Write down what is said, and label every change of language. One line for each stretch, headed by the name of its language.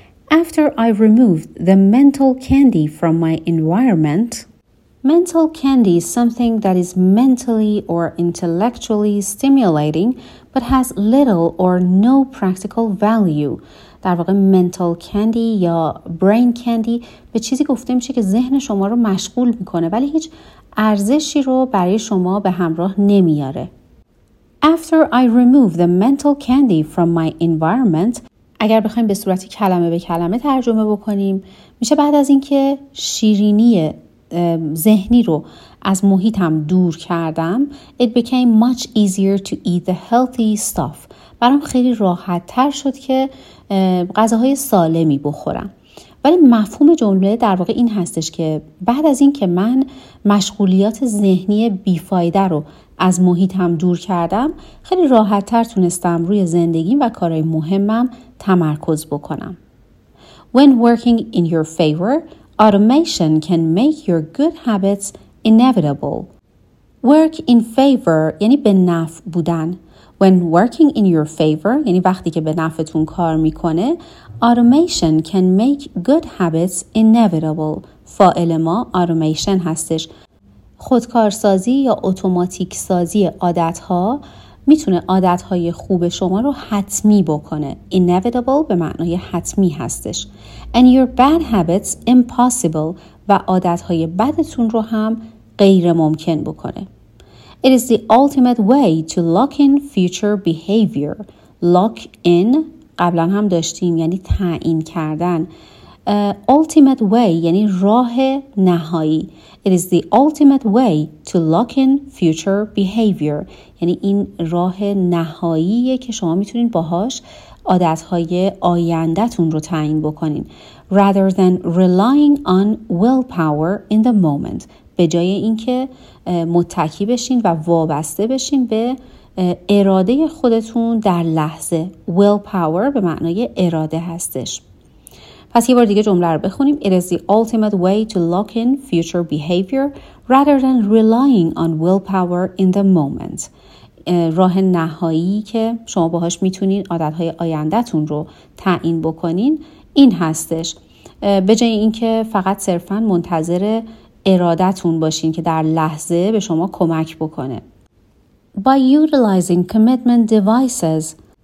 English: After I removed the mental candy from my environment, mental candy is something that is mentally or intellectually stimulating but has little or no practical value.
Persian: در واقع mental candy یا brain candy به چیزی گفته میشه که ذهن شما رو مشغول میکنه ولی هیچ ارزشی رو برای شما به همراه نمیاره.
English: After I remove the mental candy from my environment,
Persian: اگر بخوایم به صورت کلمه به کلمه ترجمه بکنیم, میشه بعد از اینکه شیرینی ذهنی رو از محیطم دور کردم,
English: it became much easier to eat the healthy stuff.
Persian: برام خیلی راحت تر شد که غذاهای سالمی بخورم. ولی مفهوم جمله در واقع این هستش که بعد از اینکه من مشغولیات ذهنی بیفایده رو از محیطم دور کردم, خیلی راحت تر تونستم روی زندگیم و کارهای مهمم تمرکز بکنم.
English: When working in your favor, automation can make your good habits inevitable. Work in favor
Persian: یعنی به نفع بودن.
English: When working in your favor,
Persian: یعنی وقتی که به نفعتون کار میکنه,
English: automation can make good habits inevitable.
Persian: فاعل ما automation هستش. خودکارسازی یا اوتوماتیک سازی عادتها میتونه عادتهای خوب شما رو حتمی بکنه. Inevitable به معنای حتمی هستش.
English: And your bad habits impossible
Persian: و عادتهای بدتون رو هم غیر ممکن بکنه.
English: It is the ultimate way to lock in future behavior. Lock in
Persian: قبلا هم داشتیم, یعنی تعیین کردن. Ultimate way یعنی راه نهایی.
English: It is the ultimate way to lock in future behavior.
Persian: یعنی این راه نهاییه که شما میتونین باهاش عادتهای آیندتون رو تعیین بکنین.
English: Rather than relying on willpower in the moment.
Persian: به جای اینکه متکی بشین و وابسته بشین به اراده خودتون در لحظه. Willpower به معنای اراده هستش. پس یه بار دیگه جمله رو بخونیم.
English: It is the ultimate way to lock in future behavior rather than relying on willpower in the moment.
Persian: راه نهایی که شما باهاش میتونین عادتهای آیندتون رو تعیین بکنین این هستش. به جای اینکه فقط صرفا منتظر ارادتون باشین که در لحظه به شما کمک بکنه.
English: By utilizing commitment devices.